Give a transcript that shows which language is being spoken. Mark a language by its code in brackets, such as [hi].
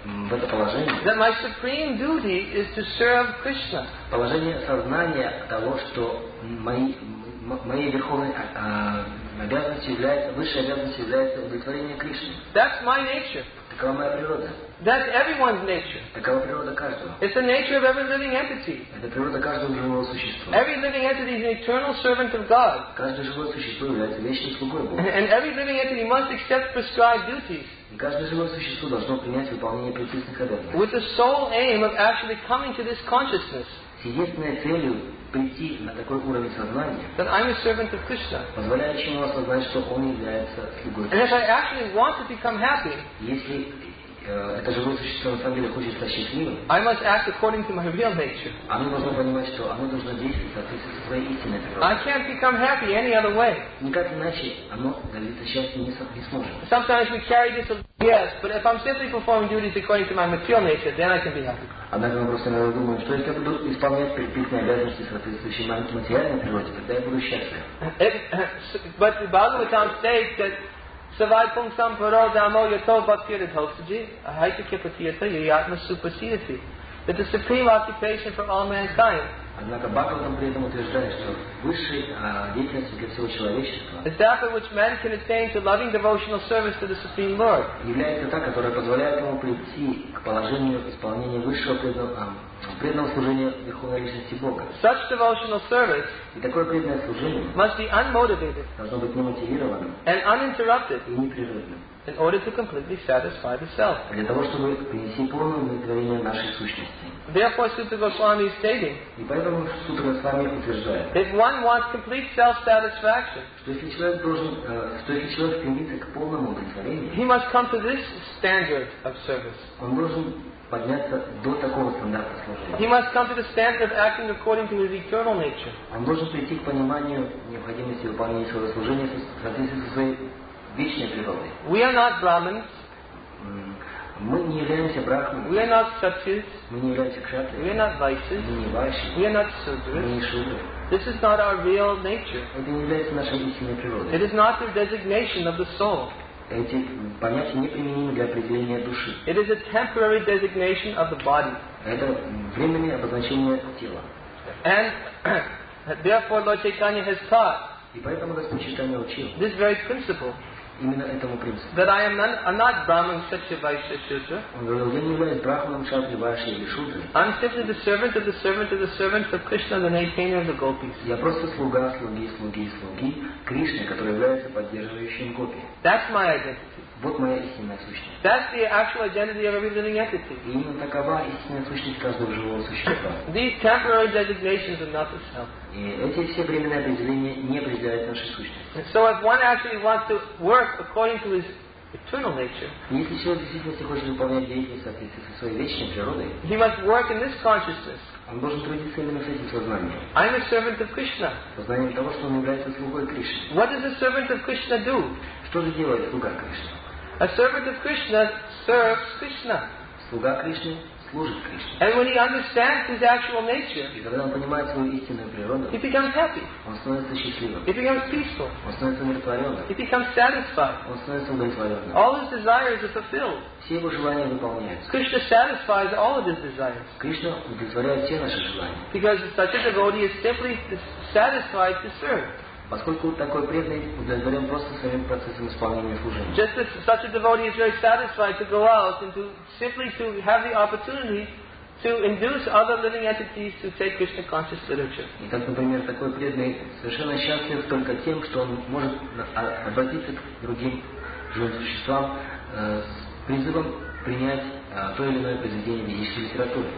[en] That my supreme duty is to serve Krishna. [ru] Положение сознания того, что мои верховные обязанности являются, высшие обязанности являются удовлетворение Кришны. [en] That's my nature. [ru] Такова моя природа. [en] That's everyone's nature. [ru] Такова природа каждого. [en] It's the nature of every living entity. [ru] Это природа каждого живого существа. [en] Every living entity is an eternal servant of God. [ru] Каждое живое существо является вечным слугой Бога. [en] And every living entity must accept prescribed duties. [ru] И каждое живое существо должно принять выполнение предписанных обязанностей. [en] With the sole aim of actually coming to this consciousness. [ru] С единственной целью прийти на такой уровень сознания. [en] That I'm a servant of Krishna. [ru] Позволяющему осознать, что он является слугой Бога. [en] And if I actually want to become happy. [ru] Если это живое существо на самом деле хочет стать счастливым. [en] I must act according to my real nature. [ru] Оно должно понимать, что оно должно действовать в соответствии со своей истинной природой. [en] I can't become happy any other way. [ru] Никак иначе оно добиться счастья не сможет. [en] Sometimes we carry this yes, but if I'm simply performing duties according to my material nature, then I can be happy. [ru] Однако мы просто иногда думаем, что если я буду исполнять предписанные обязанности соответствующие моей материальной природе, тогда я буду счастлив. [en] But the Bhagavatam states that. [sa] Savaipung Samparo Dhamo Yato Bhaktira Dhoksaji Ahaita Kipatiyata Yayatma Supasiyati. [en] That the supreme occupation for all mankind. [ru] Однако Бхагаватам при этом утверждает, что высшей деятельностью для всего человечества [en] is that which man can attain to loving devotional service to the Supreme Lord. [ru] Является та, которая позволяет ему прийти к положению исполнения высшего преданного служения Верховной Личности Бога. [en] Such devotional service [ru] и такое преданное служение [en] must be unmotivated [ru] должно быть немотивированным [en] and uninterrupted [ru] и непрерывным [en] in order to completely satisfy the self. [ru] Для того, чтобы принести полное удовлетворение нашей сущности. [en] Therefore, Sutta Goswami is stating, [ru] и поэтому Сутра Госвами утверждает, [en] if one wants complete self-satisfaction, [ru] что если человек должен, что если человек стремится к полному удовлетворению, [en] he must come to this standard of service. [ru] Он должен подняться до такого стандарта служения. [en] He must come to the standard of acting according to his eternal nature. [ru] Он должен прийти к пониманию необходимости выполнения своего служения в соответствии со своей вечной природой. [en] We are not Brahmins. [ru] Мы не являемся брахманами. [en] We are not satyas. [ru] Мы не являемся кшатриями. [en] We are not vaishyas. [ru] Мы не вайши. [en] We are not sudras. [ru] Мы не шудры. [en] This is not our real nature. [ru] Это не является нашей истинной природой. [en] It is not the designation of the soul. [ru] Эти понятия не применимы для определения души. [en] It is a temporary designation of the body. [ru] Это временное обозначение тела. [en] And therefore, Lord Chaitanya has taught. [ru] И поэтому Господь Чайтанья учил. [en] This very principle. [ru] Именно этому принципу. [en] That I am not Brahman, Kshatriya, Vaishya, Shudra. [ru] Он говорил, я не являюсь Брахманом, Кшатрием, Вайшьей или Шудрой. [en] I'm simply the servant of the servant of the servant of Krishna, the maintainer of the gopis. [ru] Я просто слуга, слуги, слуги, слуги Кришны, который является поддерживающим гопи. [en] That's my identity. [ru] Вот моя истинная сущность. [en] That's the actual identity of every living entity. [ru] И именно такова истинная сущность каждого живого существа. [en] These temporary designations are not the self. [ru] И эти все временные определения не определяют нашей сущности. [en] So if one actually wants to work according to his eternal nature, [ru] если человек действительно хочет выполнять деятельность в соответствии со своей вечной природой, [en] he must work in this consciousness. [ru] Он должен трудиться именно с этим сознанием. [en] I'm a servant of Krishna. [ru] Сознанием того, что он является слугой Кришны. [en] What does a servant of Krishna do? [ru] Что же делает слуга Кришны? [en] A servant of Krishna serves Krishna. [ru] Слуга Кришны служит Кришне. [en] And when he understands his actual nature, [ru] и когда он понимает свою истинную природу, [en] he becomes happy. [ru] Он становится счастливым. [en] He becomes peaceful. [ru] Он становится умиротворенным. [en] He becomes satisfied. [ru] Он становится удовлетворенным. [en] All his desires are fulfilled. [ru] Все его желания выполняются. [en] Krishna satisfies all of his desires. [ru] Кришна удовлетворяет все наши желания. [en] Because such a devotee is simply satisfied to serve. [ru] Поскольку такой преданный удовлетворен просто своим процессом исполнения служения. [en] Just as such a devotee is very satisfied to go out and to simply to have the opportunity to induce other living entities to take Krishna conscious literature. [ru] И так, например, такой преданный совершенно счастлив только тем, что он может обратиться к другим живым существам с призывом принять то или иное произведение ведической литературы.